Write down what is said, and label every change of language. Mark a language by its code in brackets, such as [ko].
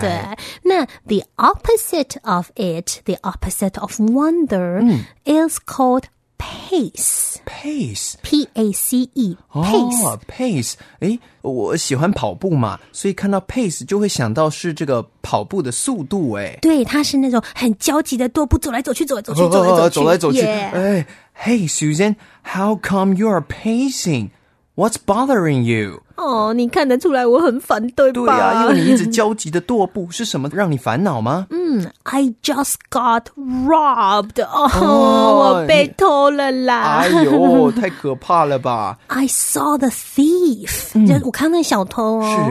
[zh] 的对那 [en] the opposite of it the opposite of wander、嗯、is calledPace, P-A-C-E, pace. Oh, pace. [zh] 我喜欢跑步嘛，所以看到 pace 就会想到是这个跑步的速度。哎，对，它是那种很焦急的踱步，走来走去，走来走去，走来走去。 [en] Yeah. 哎 ，Hey Susan, how come you are pacing? What's bothering you? [zh] 哦，你看得出来我很烦，对吧？对啊，因为你一直焦急的踱步，是什么让你烦恼吗？ [en] 嗯。I just got robbed. Oh, [zh] 我被偷了啦！哎呦，太可怕了吧 [en] ！I saw the thief.、嗯、 [zh] 我看到小偷哦。